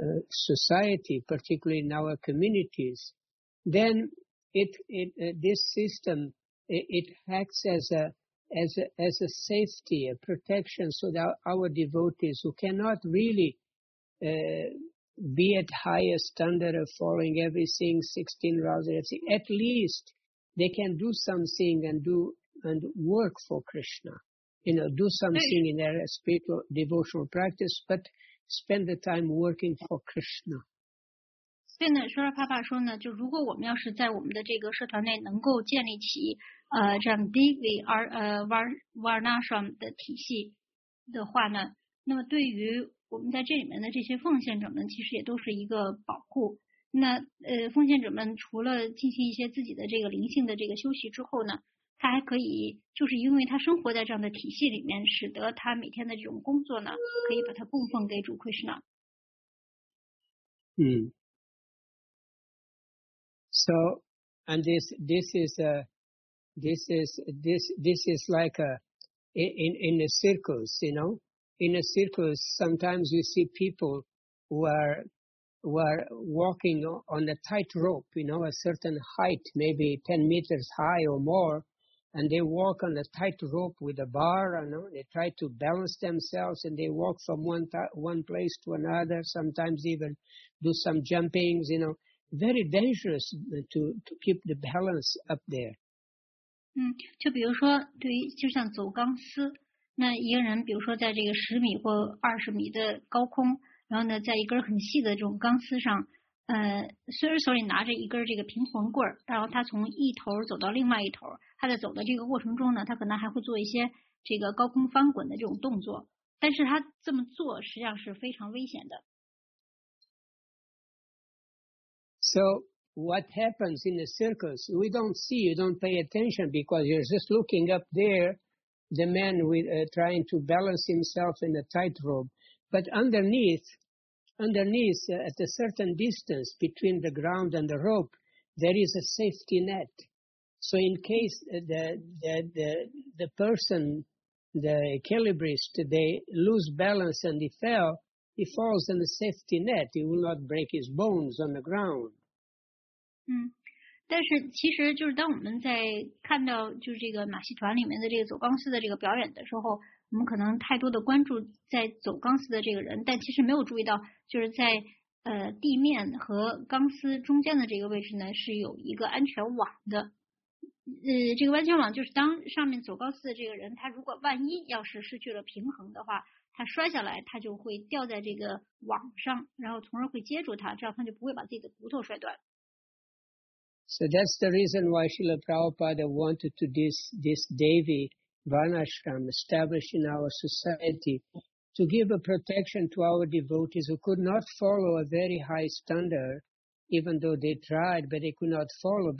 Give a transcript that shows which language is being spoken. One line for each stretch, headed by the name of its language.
English: society, particularly in our communities, then this system acts as a safety, a protection, so that our devotees who cannot really be at higher standard of following everything, 16 rounds, at least they can do something and work for Krishna. You know, do something in their spiritual devotional practice, but spend the time working for Krishna.
Chinese: 所以呢，舒拉帕帕说呢，就如果我们要是在我们的这个社团内能够建立起这样 Devi Varnashram 的体系的话呢，那么对于我们在这里面的这些奉献者们，其实也都是一个保护。那奉献者们除了进行一些自己的这个灵性的这个休息之后呢，他还可以，就是因为他生活在这样的体系里面，使得他每天的这种工作呢，可以把它供奉给主奎什纳。嗯。
English: So, and this is like in the circles, you know, in the circles, sometimes you see people who are walking on a tight rope, you know, a certain height, maybe 10 meters high or more, and they walk on a tight rope with a bar, you know, they try to balance themselves and they walk from one place to another, sometimes even do some jumpings, you know, very dangerous to keep the balance up there.
Chinese: 就比如说对于就像走钢丝，那一个人比如说在这个十米或二十米的高空，然后呢，在一根很细的这种钢丝上，虽然手里拿着一根这个平衡棍儿，然后他从一头走到另外一头，他在走的这个过程中呢，他可能还会做一些这个高空翻滚的这种动作，但是他这么做实际上是非常危险的。
English: So what happens in the circles? We don't see, you don't pay attention because you're just looking up there, the man with trying to balance himself in a tightrope. But underneath, at a certain distance between the ground and the rope, there is a safety net. So in case the person, the equilibrist, they lose balance and he falls on the safety net. He will not break his bones on the ground.
Chinese: 但是其实就是当我们在看到就是这个马戏团里面的这个走钢丝的这个表演的时候，我们可能太多的关注在走钢丝的这个人，但其实没有注意到，就是在地面和钢丝中间的这个位置呢，是有一个安全网的。这个安全网就是当上面走钢丝的这个人，他如果万一要是失去了平衡的话，他摔下来，他就会掉在这个网上，然后从而会接住他，这样他就不会把自己的骨头摔断。
English: So that's the reason why Srila Prabhupada wanted to this Devi Varnashram establish in our society to give a protection to our devotees who could not follow a very high standard, even though they tried, but they could not follow.